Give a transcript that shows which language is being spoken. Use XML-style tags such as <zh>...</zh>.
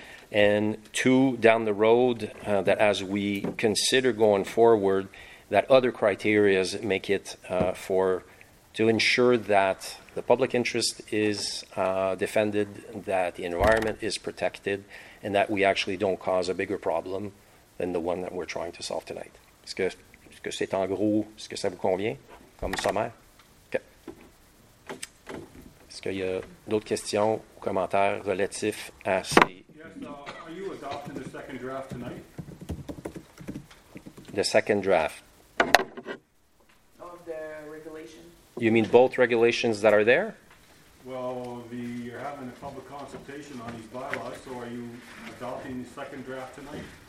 <en>And two, down the road, that as we consider going forward, that other criteria make it to ensure that the public interest is defended, that the environment is protected, and that we actually don't cause a bigger problem than the one that we're trying to solve tonight.</en> <fr>Est-ce que c'est en gros, est-ce que ça vous convient comme sommaire? Okay. Est-ce qu'il y a d'autres questions ou commentaires relatifs à ces...</fr> <en>Yes, are you adopting the second draft tonight? The second draft. Of the regulation. You mean both regulations that are there? Well, you're having a public consultation on these bylaws, so are you adopting the second draft tonight?</en>